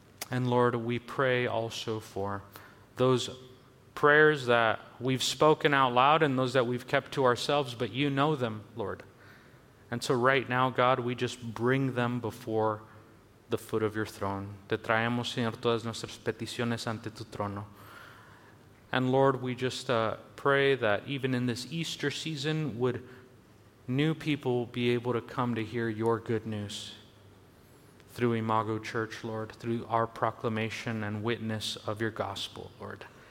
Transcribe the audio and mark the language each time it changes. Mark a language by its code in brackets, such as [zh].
[en] And Lord, we pray also for those prayers that we've spoken out loud and those that we've kept to ourselves, but you know them, Lord. And so right now, God, we just bring them before the foot of your throne. [es] Te traemos, Señor, todas nuestras peticiones ante tu trono. [en] And Lord, we just pray that even in this Easter season, would new people be able to come to hear your good news through Imago Church, Lord, through our proclamation and witness of your gospel, Lord.